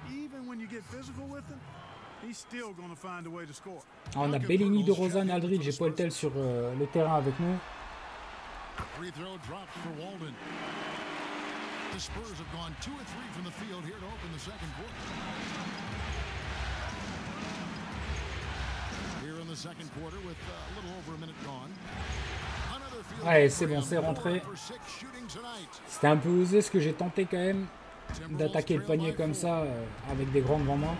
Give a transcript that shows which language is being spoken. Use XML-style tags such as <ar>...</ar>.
<en>Even when you get physical with him, he's still gonna find a way to score.</en> <fr>On a Bellini, DeRozan, Aldridge et Poeltel sur le terrain avec nous.</fr> <en>Free throw dropped for Walden. The Spurs have gone 2-3 from the field here to open the second quarter. Here in the second quarter with a little over a minute gone.</en> <fr>Ouais, c'est bon, c'est rentré. C'était un peu osé ce que j'ai tenté quand même d'attaquer le panier comme ça avec des grandes mains.</fr>